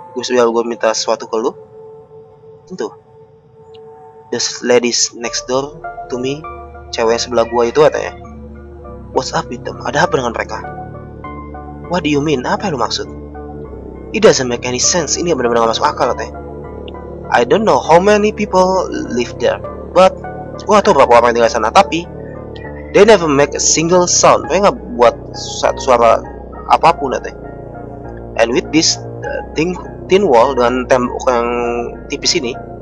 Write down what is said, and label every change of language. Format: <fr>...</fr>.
<id>Gue minta sesuatu ke lu. Tentu.</id> <en>The ladies next door to me.</en> <id>Cewek sebelah gua itu katanya.</id> <en>What's up with them?</en> <id>Ada apa dengan mereka?</id> <en>What do you mean?</en> <id>Apa yang lu maksud?</id> <en>It doesn't make any sense.</en> <id>Ini benar-benar gak masuk akal katanya.</id> <en>I don't know how many people live there.</en> <id>But gua gak tau berapa orang yang tinggal sana. Tapi</id> <en>they never make a single sound.</en> <id>Mereka gak buat suara apapun ya, Teh.</id> <en>And with this thin wall</en> <id>dengan tembok yang tipis ini.</id>